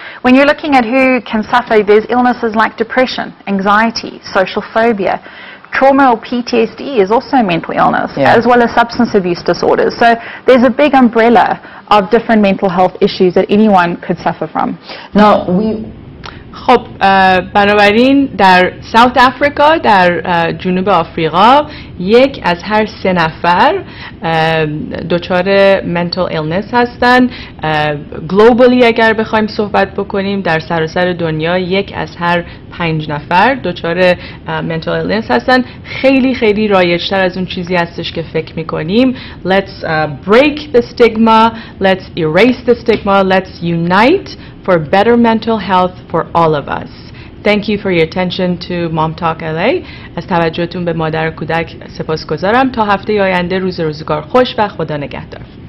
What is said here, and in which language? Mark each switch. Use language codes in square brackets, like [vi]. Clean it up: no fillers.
[en] When you're looking at who can suffer, there's illnesses like depression, anxiety, social phobia. Trauma or PTSD is also a mental illness, as well as substance abuse disorders. So there's a big umbrella of different mental health issues that anyone could suffer from. Now, we... [fa] خب بنابراین در ساوت آفریقا در جنوب آفریقا یک از هر سه نفر دچار [en] mental illness [fa] هستن. [en] globally [fa] اگر بخوایم صحبت بکنیم در سراسر دنیا یک از هر پنج نفر دچار [en] mental illness [fa] هستن. خیلی خیلی رایج‌تر از اون چیزی هستش که فکر میکنیم. [en] Let's break the stigma, let's erase the stigma, let's unite for better mental health for all of us. Thank you for your attention to Mom Talk LA. [fa] از توجهتون به مادر کودک سپاسگزارم. تا هفته آینده روز روزگار خوش و خدا نگهدار.